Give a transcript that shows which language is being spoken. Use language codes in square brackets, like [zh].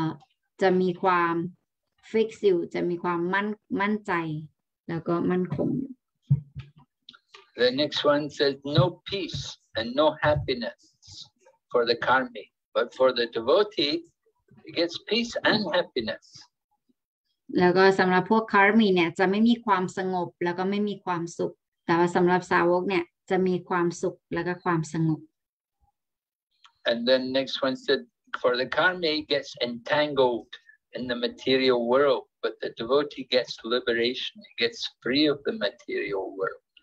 [th] มันไม่มีความมุ่งมั่นหรือมันไม่มีความชัดเจนเป็นหนึ่งเดียวแต่ว่าสำหรับสาวกเนี่ยจะมีความ fix อยู่จะมีความมั่นใจแล้วก็มั่นคงอยู่ [en] The next one says no peace and no happiness for the karmi but for the devotee he gets peace and happiness [th] แล้วก็สำหรับพวกคารมีเนี่ยจะไม่มีความสงบแล้วก็ไม่มีความสุขแต่ว่าสำหรับสาวกเนี่ยจะมีความสุขแล้วก็ความสงบ [en] And then next one said for the karmi gets entangled in the material world but the devotee gets liberation he gets free of the material world